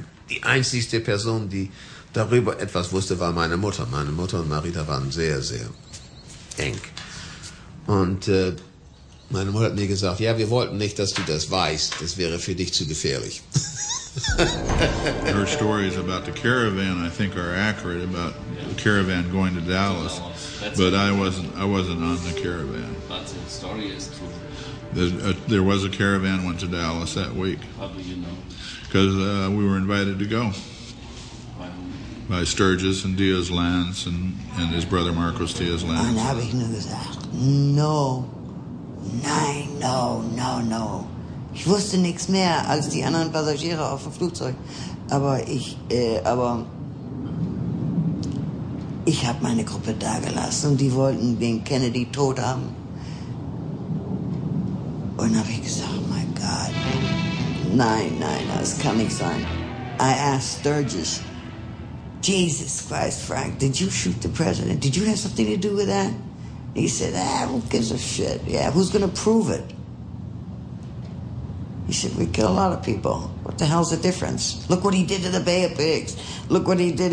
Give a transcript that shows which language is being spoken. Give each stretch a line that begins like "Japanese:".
German: Die einzigste Person, die darüber etwas wusste, war meine Mutter. Meine Mutter und Marita waren sehr, sehr eng. Und meine Mutter hat mir gesagt, ja, wir wollten nicht, dass du das weißt. Das wäre für dich zu gefährlich.
English: Her stories about the caravan, I think, are accurate about the caravan going to Dallas. But I wasn't on the caravan. But the story is true. There was a caravan went to Dallas that week. How do you know? Because we were invited to go. By Sturgis and Diaz Lance and his brother Marcos Diaz Lance. And I knew that. No. Nein, no, no, no.
German: Ich wusste nichts mehr als die anderen Passagiere auf dem Flugzeug. Aber ich habe meine Gruppe da gelassen und die wollten den Kennedy tot haben. Und habe ich gesagt,
English: oh my God,
German: nein, nein, das kann nicht sein.
English: I asked Sturgis, Jesus Christ, Frank, did you shoot the president? Did you have something to do with that? And he said, who gives a shit? Yeah, who's going to prove it? He said, we kill a lot of people. What the hell's the difference? Look what he did to the Bay of Pigs. Look what he did.